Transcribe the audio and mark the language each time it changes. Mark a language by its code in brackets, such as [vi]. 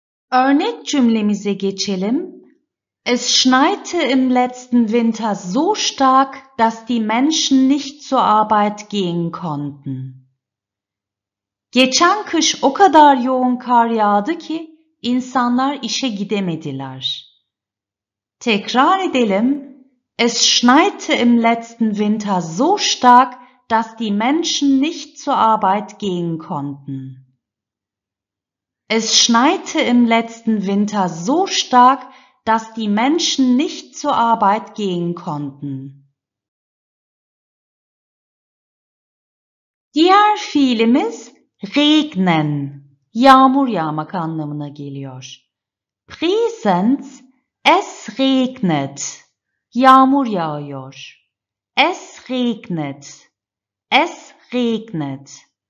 [tr] Örnek cümlemize geçelim. [de] Es schneite im letzten Winter so stark, dass die Menschen nicht zur Arbeit gehen konnten. [tr] Geçen kış o kadar yoğun kar yağdı ki insanlar işe gidemediler. Tekrar edelim. [de] Es schneite im letzten Winter so stark, dass die Menschen nicht zur Arbeit gehen konnten. Es schneite im letzten Winter so stark, dass die Menschen nicht zur Arbeit gehen konnten. [tr] Diğer fiilimiz regnen, yağmur yağmak anlamına geliyor. [de] Präsens, es regnet, [tr] yağmur yağıyor. [de] Es regnet, es regnet.